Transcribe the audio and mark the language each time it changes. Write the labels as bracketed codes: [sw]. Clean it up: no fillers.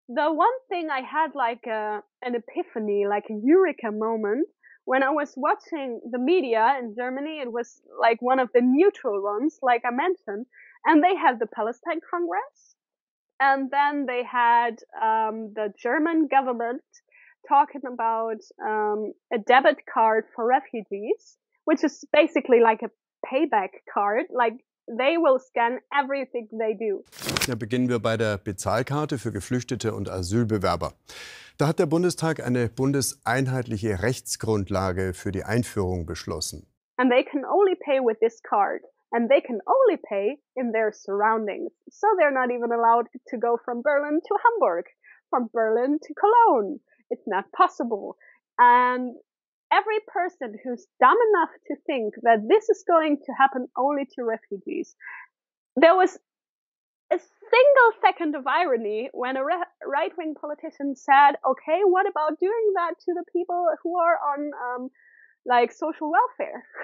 [en] The one thing I had like an epiphany, like a eureka moment, when I was watching the media in Germany, it was like one of the neutral ones, like I mentioned, and they had the Palestine Congress, and then they had the German government talking about a debit card for refugees, which is basically like a payback card, like they will scan everything they do. [de] Ja, beginnen wir bei der Bezahlkarte für Geflüchtete und Asylbewerber. Da hat der Bundestag eine bundeseinheitliche Rechtsgrundlage für die Einführung beschlossen. [en] And they can only pay with this card. And they can only pay in their surroundings. So they're not even allowed to go from Berlin to Hamburg, from Berlin to Cologne. It's not possible. And every person who's dumb enough to think that this is going to happen only to refugees, there was a single second of irony when a right-wing politician said, okay, what about doing that to the people who are on like social welfare?